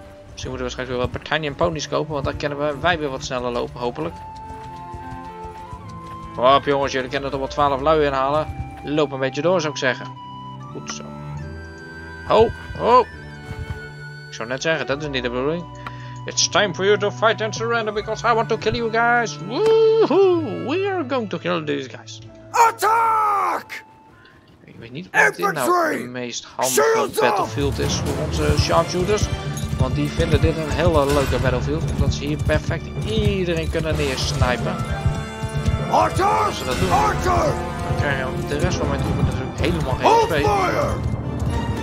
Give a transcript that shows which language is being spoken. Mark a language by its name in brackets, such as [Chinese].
[Dutch] Misschien moeten we straks weer wat Britannian ponies kopen, want dan kunnen wij weer wat sneller lopen, hopelijk. Hop jongens, jullie kunnen er wel 12 lui inhalen. Loop een beetje door, zou ik zeggen. Goed zo. Ho, ho. Ik zou net zeggen, dat is niet de bedoeling. [English] It's time for you to fight and surrender, because I want to kill you guys. Woohoo, we are going to kill these guys. Attack! [Dutch] Ik weet niet wat dit nou de meest handige battlefield is voor onze sharpshooters. Want die vinden dit een hele leuke battlefield, omdat ze hier perfect iedereen kunnen neersnipen. Als ze dat doen, dan krijgen we de rest van mijn troepen natuurlijk helemaal geen XP.